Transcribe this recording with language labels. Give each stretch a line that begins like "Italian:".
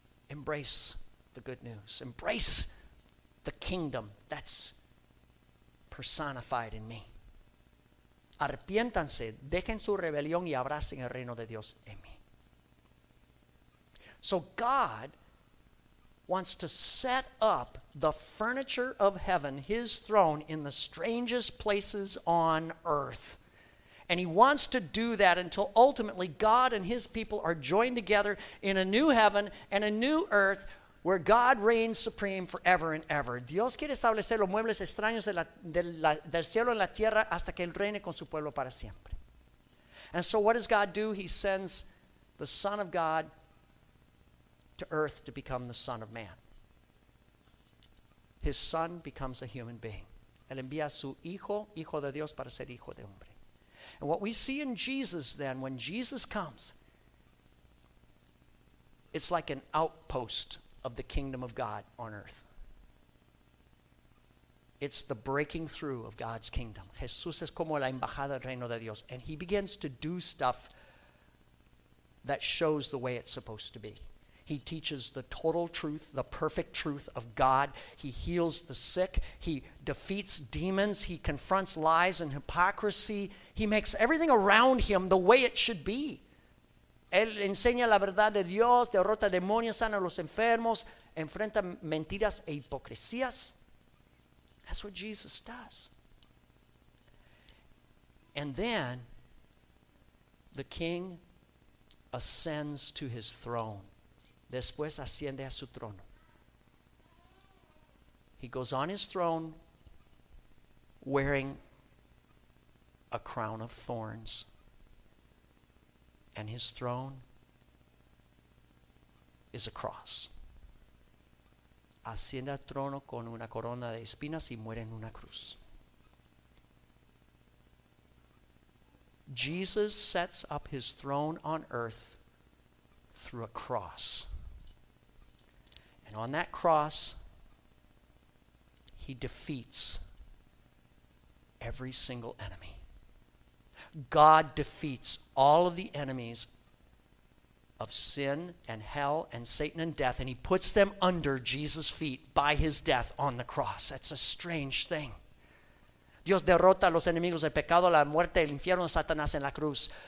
English: Embrace the good news. Embrace the kingdom that's personified in me.
Spanish: Arrepiéntanse, dejen su rebelión y abracen el reino de Dios en mí.
English: So God wants to set up the furniture of heaven, his throne, in the strangest places on earth. And he wants to do that until ultimately God and his people are joined together in a new heaven and a new earth where God reigns supreme forever and ever.
Spanish: Dios quiere establecer los muebles extraños del cielo en la tierra hasta que él reine con su pueblo para siempre.
English: And so what does God do? He sends the Son of God to earth to become the Son of Man. His Son becomes a human being.
Spanish: Él envía a su Hijo, Hijo de Dios, para ser Hijo de Hombre.
English: And what we see in Jesus then, when Jesus comes, it's like an outpost of the kingdom of God on earth. It's the breaking through of God's kingdom.
Spanish: Jesús es como la embajada del reino de Dios.
English: And he begins to do stuff that shows the way it's supposed to be. He teaches the total truth, the perfect truth of God. He heals the sick. He defeats demons. He confronts lies and hypocrisy. He makes everything around him the way it should be.
Spanish: Él enseña la verdad de Dios, derrota demonios, sana a los enfermos, enfrenta mentiras e hipocresías.
English: That's what Jesus does. And then the king ascends to his throne.
Spanish: Después asciende a su trono.
English: He goes on his throne wearing a crown of thorns. And his throne is a cross.
Spanish: Asciende al trono con una corona de espinas y muere en una cruz.
English: Jesus sets up his throne on earth through a cross. And on that cross, he defeats every single enemy. God defeats all of the enemies of sin and hell and Satan and death, and he puts them under Jesus' feet by his death on the cross. That's a strange thing.
Spanish: Dios derrota a los enemigos del pecado, la muerte, el infierno, Satanás en la cruz.